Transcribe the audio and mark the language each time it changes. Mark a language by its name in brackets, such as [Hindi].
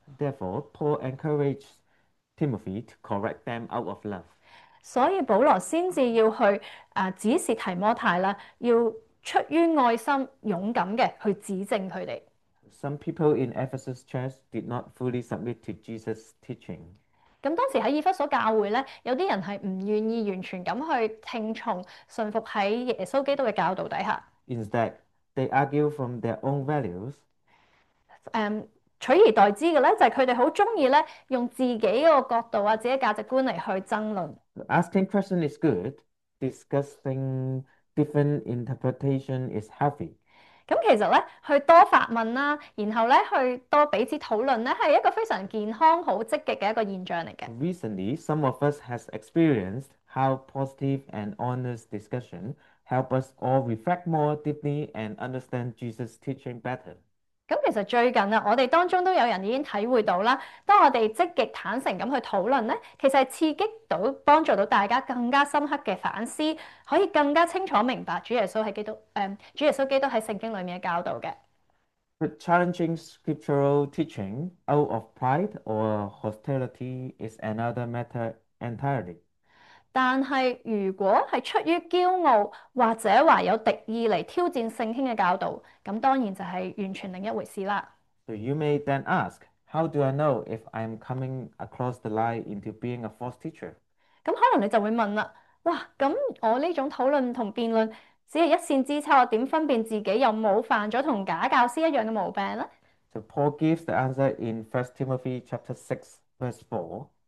[English] Therefore, Paul encouraged Timothy to correct them out of love. [Cantonese] 所以保罗先至要去指示提摩太啦，要出于爱心勇敢嘅去指正佢哋。 [English] Some people in Ephesus church did not fully submit to Jesus' teaching. [Cantonese] 咁当时喺以弗所教会咧，有啲人系唔愿意完全咁去听从信服喺耶稣基督嘅教导底下。 [English] Instead, they argue from their own values. [Cantonese] 取而代之嘅咧，就系佢哋好中意咧用自己嗰个角度啊，自己价值观嚟去争论。 [English] Asking questions is good. Discussing different interpretation is healthy. [Cantonese] 咁其實咧，去多發問啦，然後咧去多彼此討論咧，係一個非常健康、好積極嘅一個現象嚟嘅。 [English] Recently, some of us has experienced how positive and honest discussion help us all reflect more deeply and understand Jesus' teaching better. [Cantonese] 咁其實最近啊，我哋當中都有人已經體會到啦。當我哋積極坦誠咁去討論咧，其實係刺激到、幫助到大家更加深刻嘅反思，可以更加清楚明白主耶穌喺基督，主耶穌基督喺聖經裡面嘅教導嘅。 [English] Challenging scriptural teaching out of pride or hostility is another matter entirely. [Cantonese] 但係，如果係出於驕傲或者懷有敵意嚟挑戰聖經嘅教導，咁當然就係完全另一回事啦。 [English] So you may then ask, how do I know if I'm coming across the line into being a false teacher? [Cantonese] 咁可能你就會問啦，哇，咁我呢種討論同辯論只係一線之差，我點分辨自己有冇犯咗同假教師一樣嘅毛病呢？ [English] So Paul gives the answer in 1 Timothy chapter 6, verse 4.